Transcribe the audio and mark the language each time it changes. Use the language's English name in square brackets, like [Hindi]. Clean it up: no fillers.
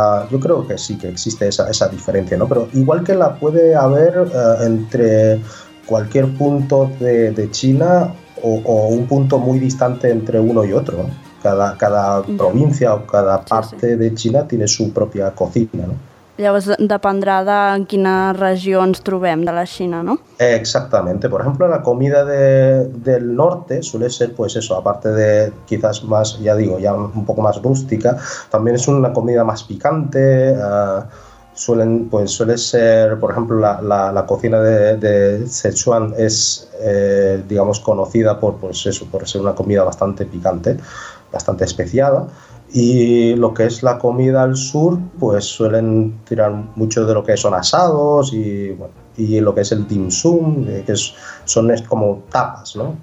[Spanish] Yo creo que sí que existe esa diferencia, ¿no? Pero igual que la puede haber entre cualquier punto de China o un punto muy distante entre uno y otro, ¿no? Cada provincia o cada parte de China tiene su pròpia cocina, no? [Catalan] Llavors dependrà de en quina regió ens trobem de la Xina, no? [Spanish] Exactamente. Por ejemplo, la comida del norte suele ser, pues eso, aparte de quizás más, ya digo, ya un poco más rústica, también es una comida más picante, suele ser, por ejemplo, la cocina de Sichuan es, digamos, conocida por, pues eso, por ser una comida bastante picante, bastante especiada, y lo que es la comida al sur, pues suelen tirar mucho de lo que son asados y, bueno, y lo que es el dim sum, que son como tapas, ¿no?